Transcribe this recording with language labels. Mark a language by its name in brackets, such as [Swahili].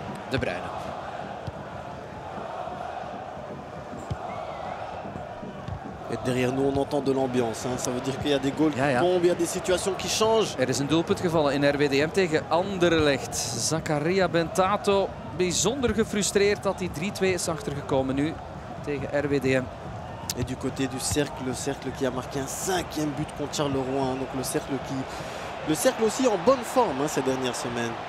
[French] De Bruyne. Derrière nous, on entend de l'ambiance. Hein. Ça veut dire qu'il y a des goals qui tombent, il y a des situations qui changent. [Dutch] Er is een doelpunt gevallen in RWDM tegen Anderlecht. Zakaria Bentato, bijzonder gefrustreerd dat hij 3-2 is achtergekomen nu tegen RWDM. [French] Et du côté du cercle, le cercle qui a marqué un cinquième but contre Charleroi. Hein. Donc le cercle aussi en bonne forme hein, ces dernières semaines.